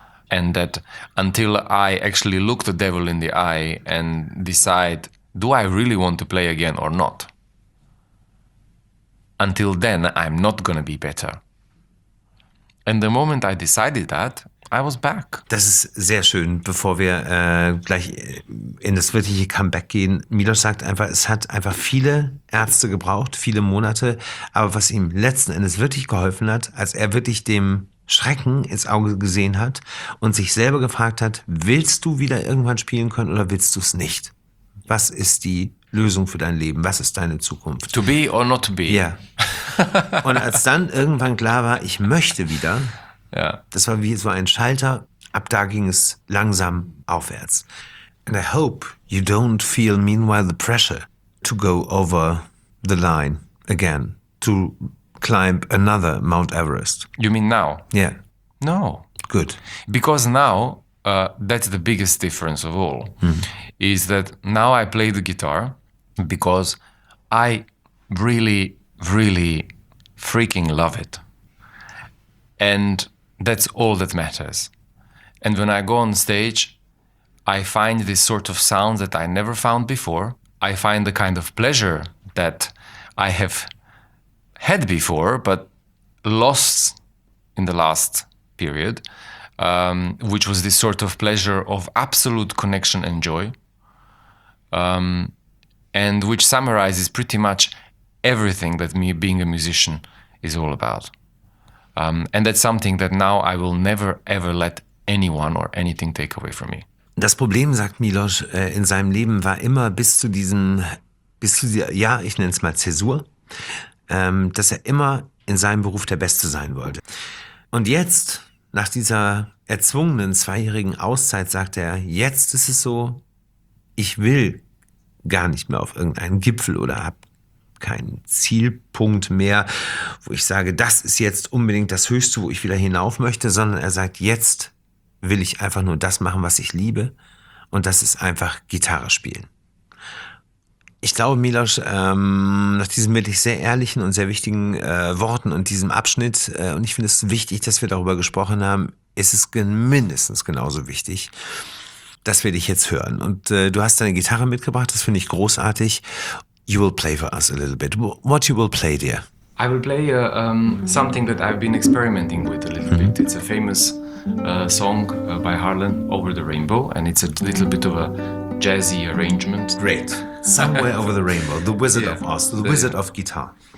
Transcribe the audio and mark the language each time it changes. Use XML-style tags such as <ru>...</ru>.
<en>And that until I actually look the devil in the eye and decide, do I really want to play again or not? Until then, I'm not going to be better. And the moment I decided that, I was back.</en> <de>Das ist sehr schön, bevor wir gleich in das wirkliche Comeback gehen. Miloš sagt einfach, es hat einfach viele Ärzte gebraucht, viele Monate. Aber was ihm letzten Endes wirklich geholfen hat, als er wirklich dem Schrecken ins Auge gesehen hat und sich selber gefragt hat, willst du wieder irgendwann spielen können oder willst du es nicht? Was ist die Lösung für dein Leben? Was ist deine Zukunft?</de> <en>To be or not to be. Ja. Yeah.</en> <de>Und als dann irgendwann klar war, ich möchte wieder, ja. Das war wie so ein Schalter. Ab da ging es langsam aufwärts.</de> <en>And I hope you don't feel meanwhile the pressure to go over the line again, to climb another Mount Everest. You mean now? Yeah. No. Good. Because now, that's the biggest difference of all, is that now I play the guitar because I really, really freaking love it. And that's all that matters. And when I go on stage, I find this sort of sound that I never found before. I find the kind of pleasure that I have had before, but lost in the last period, which was this sort of pleasure of absolute connection and joy, and which summarizes pretty much everything that me being a musician is all about. And that's something that now I will never, ever let anyone or anything take away from me.</en> <de>Das Problem, sagt Miloš, in seinem Leben war immer bis zu dieser, ich nenne es mal Zäsur, dass er immer in seinem Beruf der Beste sein wollte. Und jetzt, nach dieser erzwungenen zweijährigen Auszeit, sagt er, jetzt ist es so, ich will gar nicht mehr auf irgendeinen Gipfel oder habe keinen Zielpunkt mehr, wo ich sage, das ist jetzt unbedingt das Höchste, wo ich wieder hinauf möchte, sondern er sagt, jetzt will ich einfach nur das machen, was ich liebe, und das ist einfach Gitarre spielen. Ich glaube, Miloš, nach diesen wirklich sehr ehrlichen und sehr wichtigen Worten und diesem Abschnitt, und ich finde es wichtig, dass wir darüber gesprochen haben, ist es mindestens genauso wichtig, dass wir dich jetzt hören. Und du hast deine Gitarre mitgebracht, das finde ich großartig.</de> <en>You will play for us a little bit. What you will play, dear? I will play something that I've been experimenting with a little bit. It's a famous song by Harlan, Over the Rainbow, and it's a little bit of a jazzy arrangement. Great. Somewhere Over the Rainbow, the Wizard of Oz, the Wizard of Guitar.</en>